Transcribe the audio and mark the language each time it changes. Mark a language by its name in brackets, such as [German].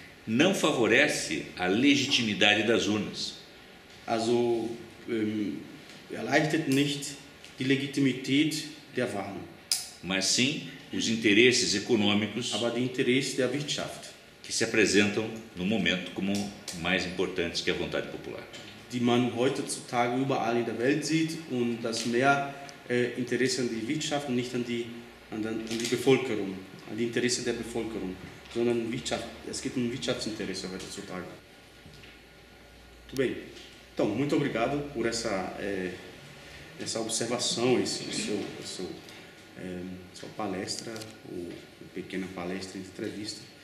[Portuguese] Não favorece a legitimidade das urnas. [German] Also, erleichtert nicht die Legitimität der Wahlen. [Portuguese] Mas sim os interesses econômicos. [German] Aber die Interesse der Wirtschaft. [Portuguese] Que se apresentam no momento como mais importantes que a vontade popular. [German] Die man heutzutage überall in der Welt sieht und das mehr Interesse an die Wirtschaft und nicht an die Bevölkerung, an die Interesse der Bevölkerung. Sondern Wirtschaft, es gibt ein Wirtschaftsinteresse heutzutage. [Portuguese] Muito bem. Então, muito obrigado por essa observação, sua palestra, ou pequena palestra, entrevista.